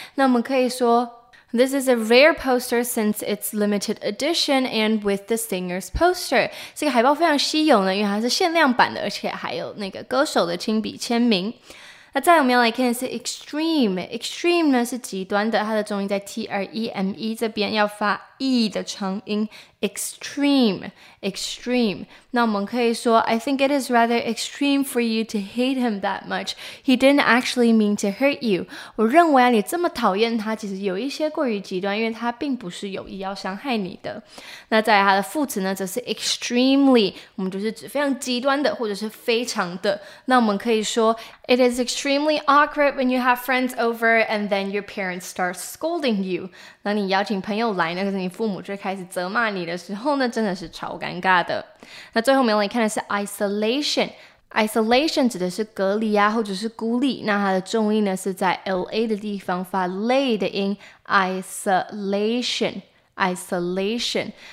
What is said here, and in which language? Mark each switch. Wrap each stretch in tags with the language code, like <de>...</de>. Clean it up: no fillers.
<zh>那我们可以说</zh> <en>This is a rare poster since it's limited edition and with the singer's poster.</en> <zh>这个海报非常稀有呢，因为它是限量版的，而且还有那个歌手的亲笔签名。那再来我们要来看的是 extreme， extreme 呢是极端的，它的重音在 treme 这边，要发 e 的长音 extreme， extreme。那我们可以说</zh> <en>I think it is rather extreme for you to hate him that much. He didn't actually mean to hurt you.</en> <zh>我认为啊，你这么讨厌他其实有一些过于极端，因为他并不是有意要伤害你的。那再来它的副词呢则是 extremely， 我们就是指非常极端的或者是非常的。那我们可以说</zh> <en>It is extremely awkward when you have friends over and then your parents start scolding you.</en> <zh>那你邀请朋友来呢，可是你父母就开始责骂你的时候呢，真的是超尴尬的。那最后我们来看的是 isolation， isolation 指的是隔离啊或者是孤立，那它的重音呢是在 la 的地方发 lay 的音， isolation， isolation。</zh>